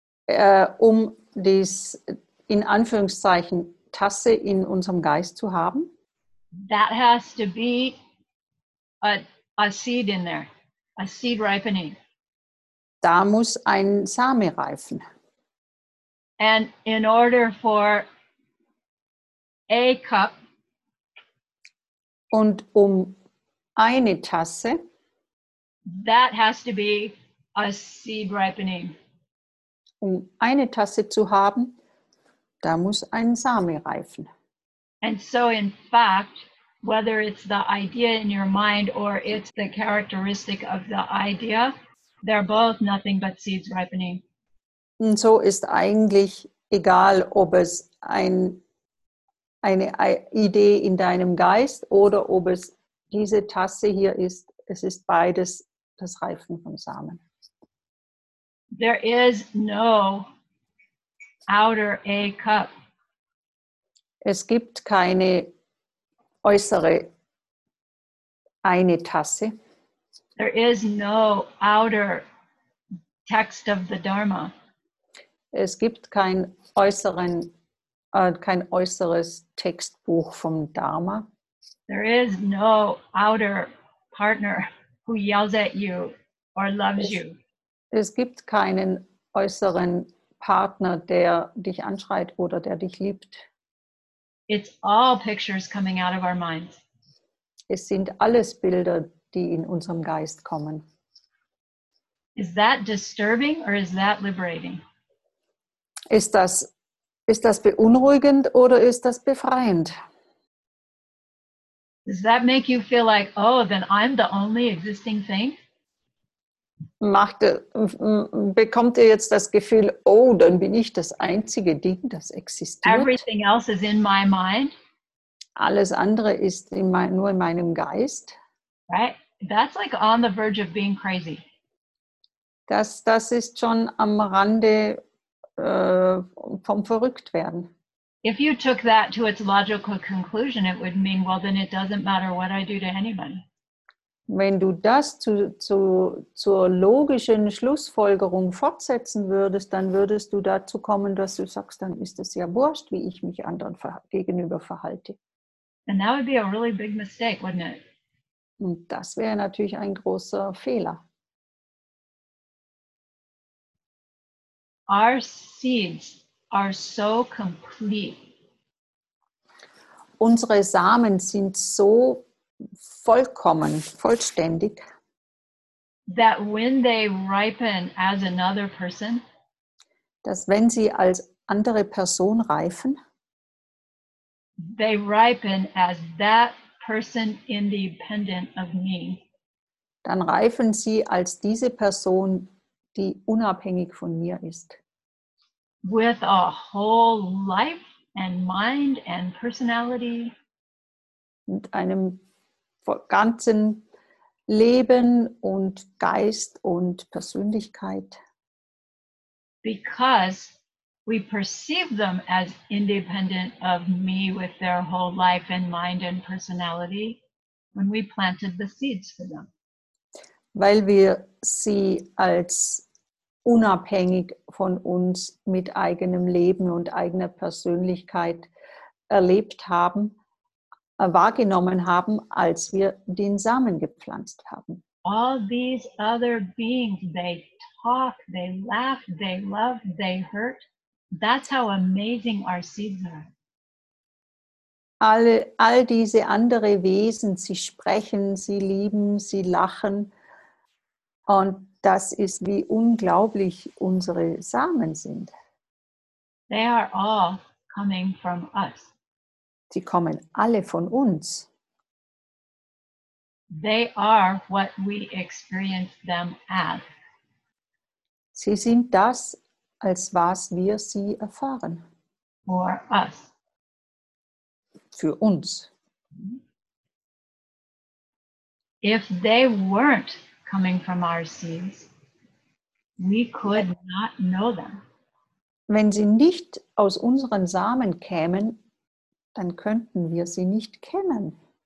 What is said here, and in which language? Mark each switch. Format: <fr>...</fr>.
<de>Um dies in Anführungszeichen Tasse in unserem Geist zu haben.</de> <en>That has to be a seed in there, a seed ripening.</en> <de>Da muss ein Same reifen.</de> <en>And in order for a cup.</en> <de>Und um eine Tasse.</de> <en>That has to be a seed ripening.</en> <de>Um eine Tasse zu haben. Da muss ein Same reifen.</de> <en>And so in fact, whether it's the idea in your mind or it's the characteristic of the idea, they're both nothing but seeds ripening.</en> <de>Und so ist eigentlich egal ob es eine Idee in deinem Geist oder ob es diese Tasse hier ist, es ist beides das Reifen vom Samen.</de> <en>There is no outer A cup.</en> <de>Es gibt keine äußere eine Tasse.</de> <en>There is no outer text of the Dharma.</en> <de>Es gibt kein äußeres Textbuch vom Dharma.</de> <en>There is no outer partner who yells at you or loves you.</en> <de>Es gibt keinen äußeren Partner, der dich anschreit oder der dich liebt.</de> <en>It's all pictures coming out of our minds.</en> <de>Es sind alles Bilder, die in unserem Geist kommen.</de> <en>Is that disturbing or is that liberating?</en> <de>Ist das beunruhigend oder ist das befreiend?</de> <en>Does that make you feel like, oh, then I'm the only existing thing?</en> <de>Bekommt ihr jetzt das Gefühl, oh, dann bin ich das einzige Ding, das existiert?</de> <en>Everything else is in my mind.</en> <de>Alles andere ist nur in meinem Geist.</de> <en>Right? That's like on the verge of being crazy.</en> <de>Das ist schon am Rande vom Verrücktwerden.</de> <en>If you took that to its logical conclusion, it would mean, well, then it doesn't matter what I do to anybody.</en> <de>Wenn du das zur logischen Schlussfolgerung fortsetzen würdest, dann würdest du dazu kommen, dass du sagst, dann ist es ja wurscht, wie ich mich anderen gegenüber verhalte.</de> <en>And that would be a really big mistake, wouldn't it?</en> <de>Und das wäre natürlich ein großer Fehler.</de> <en>Our seeds are so complete.</en> <de>Unsere Samen sind so vollkommen, vollständig.</de> <en>That when they ripen as another person,</en> <de>dass wenn sie als andere Person reifen,</de> <en>they ripen as that person independent of me.</en> <de>Dann reifen sie als diese Person, die unabhängig von mir ist.</de> <en>With a whole life and mind and personality.</en> <de>Mit einem ganzen Leben und Geist und Persönlichkeit.</de> <en>Because we perceive them as independent of me with their whole life and mind and personality when we planted the seeds for them.</en> <de>Weil wir sie als unabhängig von uns mit eigenem Leben und eigener Persönlichkeit erlebt haben, wahrgenommen haben, als wir den Samen gepflanzt haben.</de> <en>All these other beings, they talk, they laugh, they love, they hurt. That's how amazing our seeds are.</en> <de>All diese andere Wesen, sie sprechen, sie lieben, sie lachen. Und das ist, wie unglaublich unsere Samen sind.</de> <en>They are all coming from us.</en> <de>Sie kommen alle von uns.</de> <en>They are what we experience them as.</en> <de>Sie sind das, als was wir sie erfahren.</de> <en>For us.</en> <de>Für uns.</de> <en>If they weren't coming from our seeds, we could not know them.</en> <de>Wenn sie nicht aus unseren Samen kämen, dann könnten wir sie nicht kennen.</de>